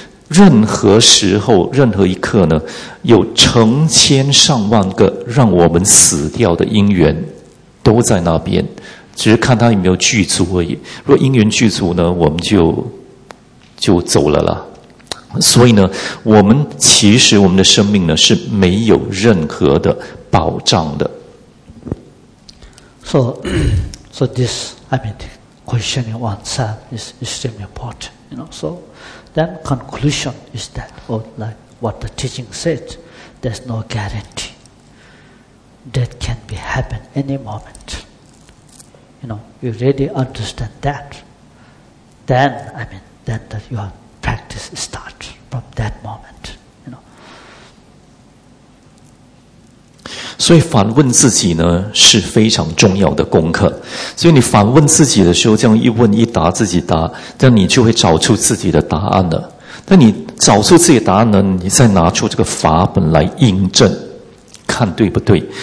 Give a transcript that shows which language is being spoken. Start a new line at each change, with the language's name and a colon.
Chinese: 任何时候任何一刻呢，有成千上万个让我们死掉的因缘都在那边，只是看他有没有具足而已。如果因缘具足呢，我们就走了啦。所以呢，我们其实我们的生命呢是没有任何的保障的。
English: So this I mean question you answer is extremely important, you know. SoThen conclusion is that, or like what the teaching said, there's no guarantee. Death can be happen any moment. You know, you really understand that. Then that your practice starts from that moment. You know.
Chinese: 所以反问自己呢是非常重要的功课。所以你反问自己的时候，这样一问一答自己答，这样你就会找出自己的答案了。那你找出自己的答案呢，你再拿出这个法本来印证，看对不对。